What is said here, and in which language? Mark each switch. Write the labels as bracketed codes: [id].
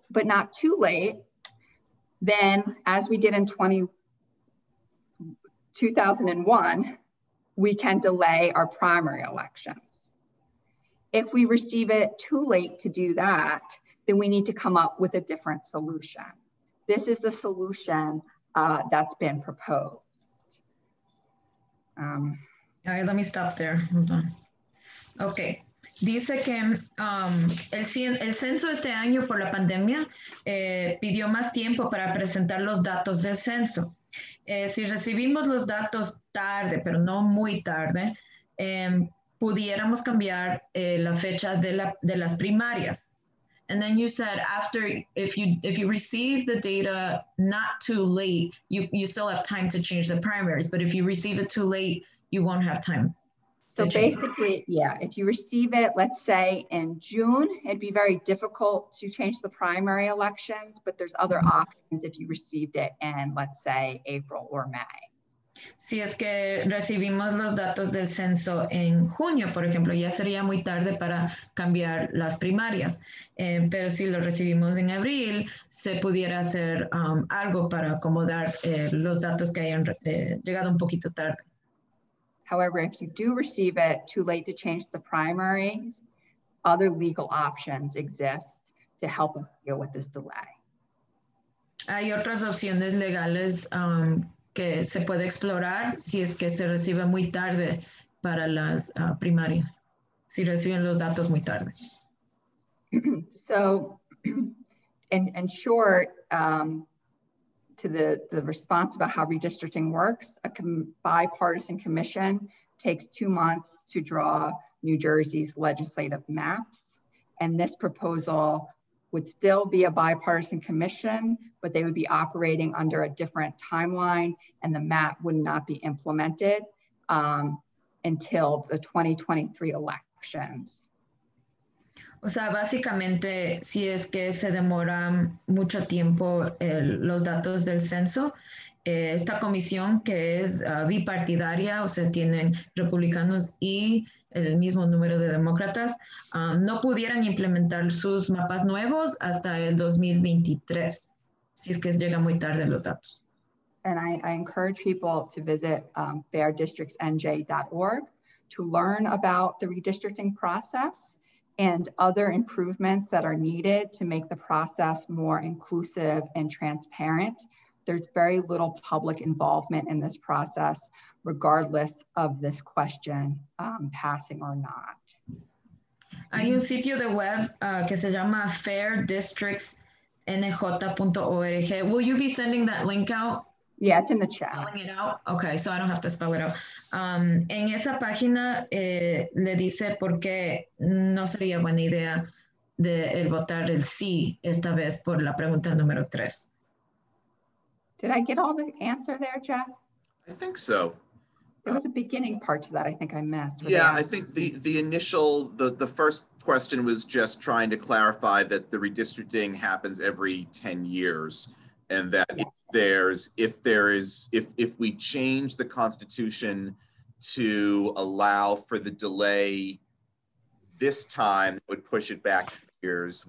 [en] but not too late, then as we did in 2001, we can delay our primary elections. If we receive it too late to do that, then we need to come up with a different solution. This is the solution that's been proposed. All right, let me stop there, hold on. [es] Okay, dice que el censo este año por la pandemia pidió más tiempo para presentar los datos del censo. Si recibimos los datos tarde, pero no muy tarde, pudiéramos cambiar la fecha de las primarias. [en] And then you said after, if you receive the data not too late, you still have time to change the primaries. But if you receive it too late, you won't have time. So basically, yeah, if you receive it, let's say in June, it'd be very difficult to change the primary elections, but there's other options if you received it in, let's say, April or May. [es] Si es que recibimos los datos del censo en junio, por ejemplo, ya sería muy tarde para cambiar las primarias. Pero si lo recibimos en abril, se pudiera hacer algo para acomodar los datos que hayan llegado un poquito tarde. [en] However, if you do receive it too late to change the primaries, other legal options exist to help us deal with this delay. [es] Hay otras opciones legales que se puede explorar si es que se recibe muy tarde para las primarias, si reciben los datos muy tarde. [en] So, in short, to the response about how redistricting works, a bipartisan commission takes 2 months to draw New Jersey's legislative maps. And this proposal would still be a bipartisan commission, but they would be operating under a different timeline and the map would not be implemented until the 2023 elections. [es] O sea, básicamente, si es que se demora mucho tiempo los datos del censo, esta comisión que es bipartidaria, o sea, tienen republicanos y el mismo número de demócratas, no pudieran implementar sus mapas nuevos hasta el 2023, si es que llega muy tarde los datos. [en] And I encourage people to visit fairdistrictsnj.org to learn about the redistricting process and other improvements that are needed to make the process more inclusive and transparent. There's very little public involvement in this process, regardless of this question passing or not. [es] Hay un sitio de web que se llama fairdistrictsnj.org. [en] Will you be sending that link out? Yeah, it's in the chat. Spelling it out? Okay, so I don't have to spell it out. [es] En esa página le dice por qué no sería buena idea de el votar el sí esta vez por la pregunta número tres. [en] Did I get all the answer there, Jeff? I think so. There was a beginning part to that I think I missed. Yeah, I think the first question was just trying to clarify that the redistricting happens every 10 years. And that yes. if we change the constitution to allow for the delay this time, it would push it back years.